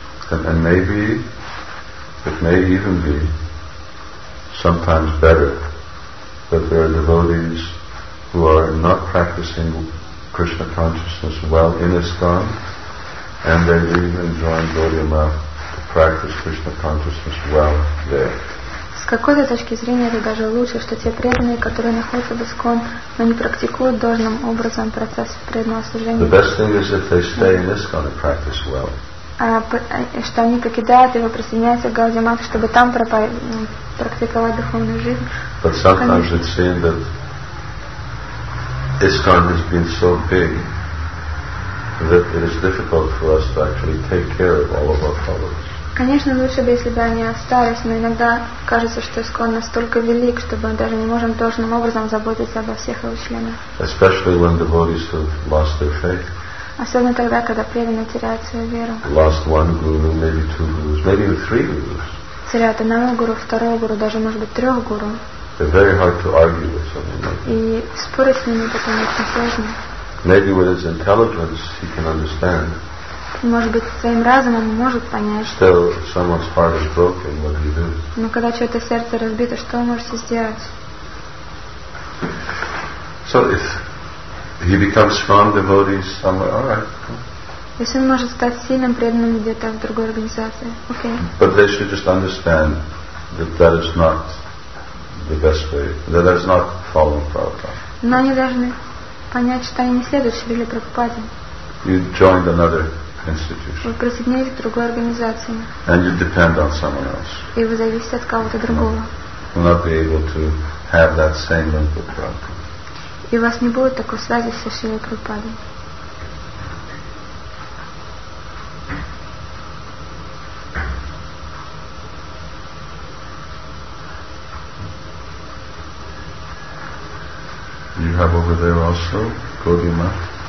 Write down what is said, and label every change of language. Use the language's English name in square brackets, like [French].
[English] And maybe it may even be sometimes better that there are devotees who are not practicing Krishna consciousness well in ISKCON, and they even join Gaudiya Math to practice Krishna consciousness well there. [Russian] С какой-то точки зрения это даже лучше, что те преданные, которые находятся в ИСККОН, но не практикуют должным образом процесс преданного служения. [English] The best thing is if they stay in ISKCON and practice well. [Russian] Что они покидают его, присоединяются к Гаудия Матхе, чтобы там практиковать духовную жизнь. [English] But sometimes it seems that ISKCON has been so big that it is difficult for us to actually take care of all of our followers. [Russian] Конечно, лучше бы, если бы они остались, но иногда кажется, что ИСККОН настолько велик, что мы даже не можем должным образом заботиться обо всех его членах. [English] Especially when devotees have lost their faith. [Russian] Особенно тогда, когда преданные теряют свою веру. [English] Lost one guru, maybe two gurus, maybe three gurus. [Russian] Теряют одного гуру, второго гуру, даже может быть трех гуру. [English] It's very hard to argue with someone like that. [Russian] И спорить с ними потом очень сложно. [English] Maybe with his intelligence he can understand. [Russian] Может быть, своим разумом он может понять. [English] Still, if someone's heart is broken, what do you do? [Russian] Но когда чье-то сердце разбито, что вы можете сделать? [English] So if he becomes strong devotee somewhere, all right. [Russian] Если он может стать сильным преданным где-то в другой организации, okay. [English] But they should just understand that that is not the best way. That is not following Prabhupada. [Russian] Но они должны понять, что они не следуют Шриле Прабхупаде. [English] You joined another institution. [Russian] Вы присоединились к другой организации. [English] And you depend on someone else. [Russian] И вы зависите от кого-то другого. [English] Will not be able to have that same link with Prabhupada. [Russian] И у вас не будет такой связи со Шрилой Прабхупадой. [English] You have over there also Gaudiya Math?